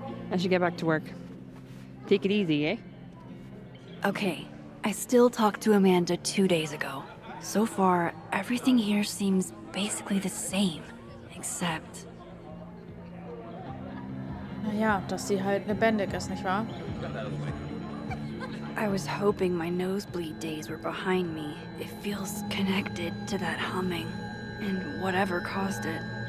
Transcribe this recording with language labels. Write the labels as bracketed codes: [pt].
[en] I should get back to work. Take it easy, eh? Okay. I still talked to Amanda 2 days ago. So far, everything here seems basically the same, except... [de] Naja, dass sie halt lebendig ist, nicht wahr? [en] I was hoping my nosebleed days were behind me. It feels connected to that humming, and whatever caused it.